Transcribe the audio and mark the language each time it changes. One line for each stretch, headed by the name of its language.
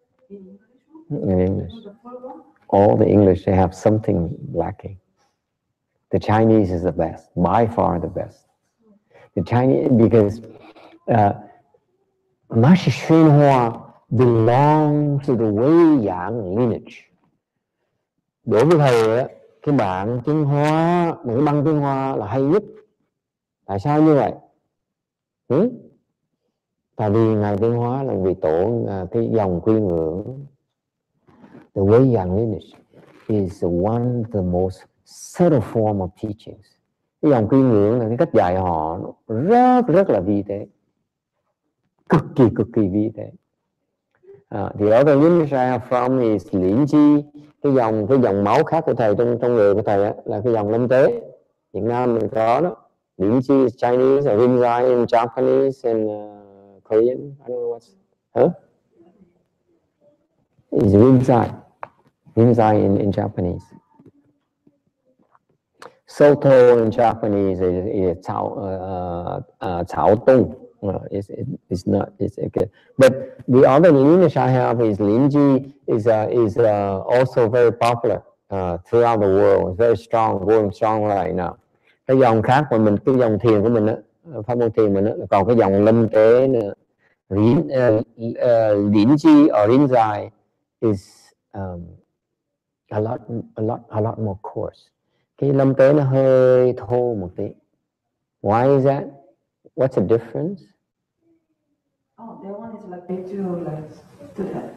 English: In English. All the English, they have something lacking. The Chinese is the best, by far the best. The Chinese, because Master Shenhua belongs to the Wei Yang lineage.
Vietnamese: Đối với thầy á, cái bản tiếng Hoa, một cái băng tiếng Hoa là hay nhất. Tại sao như vậy? Tại vì ngài tiếng Hoa là vị tổ cái dòng quy ngưỡng.
English: The Wei Yang lineage is one of the most subtle form of teachings.
Vietnamese: Cái dòng quy ngưỡng là cái cách dạy họ rất rất là vi tế, cực kỳ vi tế.
English: The other lineage I have from is Lin Chi.
Vietnamese: cái dòng máu khác của thầy trong người của thầy á, là cái dòng Lâm Tế Việt Nam mình có đó,
English: Lin Chi is Chinese, Rinzai in Japanese and Korean, I don't know what's is Rinzai in Japanese, Soto in Japanese is Chao Tung. It's not okay. But the other lineage I have is Linji is also very popular throughout the world. It's very strong, going strong right now.
Vietnamese: Cái dòng khác mà mình, cái dòng thiền của mình á, pháp môn thiền mình á, còn cái dòng Lâm Tế nữa,
English: Linji or Rinzai is a lot more coarse.
Vietnamese: Cái Lâm Tế nó hơi thô một tí.
English: Why is that? What's the difference? Oh, they want to like beat you, like.